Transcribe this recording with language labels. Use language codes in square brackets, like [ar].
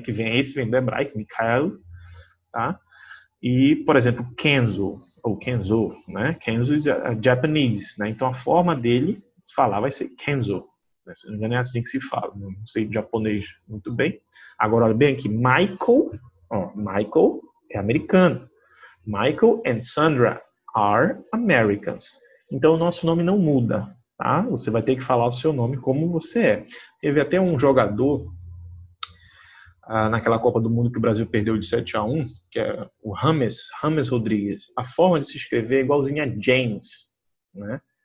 [pt] Que vem, esse vem do hebraico, Mikael, tá? E, por exemplo, Kenzo, ou Kenzo, né? Kenzo é Japanese, né? Então a forma dele falar vai ser Kenzo, né? Se não me engano, é assim que se fala, não sei japonês muito bem. Agora, olha bem aqui, Michael, ó, Michael é americano. [en] Michael and Sandra are Americans. [pt] Então, o nosso nome não muda, tá? Você vai ter que falar o seu nome como você é. Teve até um jogador naquela Copa do Mundo que o Brasil perdeu de 7-1, que é o James Rodríguez. A forma de se escrever é igualzinha a James, né?